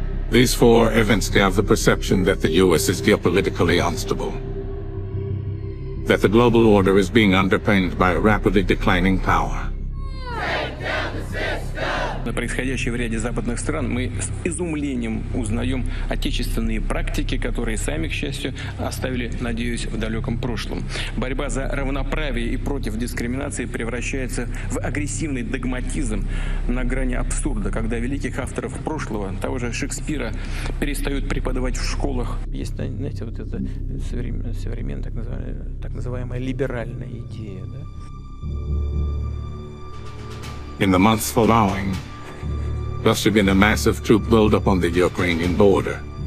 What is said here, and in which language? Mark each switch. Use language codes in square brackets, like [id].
[en] These four events gave the perception that the U.S. is geopolitically unstable, that the global order is being underpinned by a rapidly declining power. [ru] На происходящее в ряде западных стран мы с изумлением узнаем отечественные практики, которые сами, к счастью, оставили, надеюсь, в далеком прошлом. Борьба за равноправие и против дискриминации превращается в агрессивный догматизм на грани абсурда, когда великих авторов прошлого, того же Шекспира, перестают преподавать в школах. Есть, знаете, вот эта современная, так называемая либеральная идея, да? [en] In the months following, there had been a massive troop buildup on the Ukrainian border.